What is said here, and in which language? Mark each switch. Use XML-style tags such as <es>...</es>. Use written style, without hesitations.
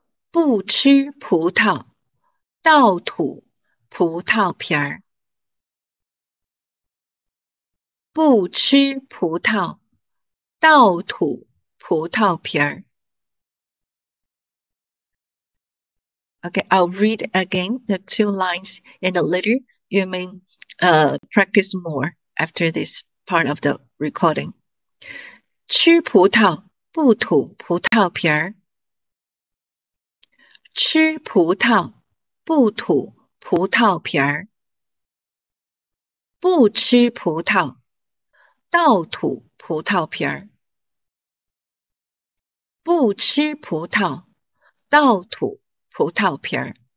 <zh>不吃葡萄，倒吐葡萄皮儿。不吃葡萄，倒吐葡萄皮儿。</zh> <en>Okay, I'll read again the two lines and later you may practice more after this part of the recording.</en> <zh>吃葡萄不吐葡萄皮儿，吃葡萄不吐葡萄皮儿，不吃葡萄倒吐葡萄皮儿，不吃葡萄倒吐葡萄皮儿。</zh>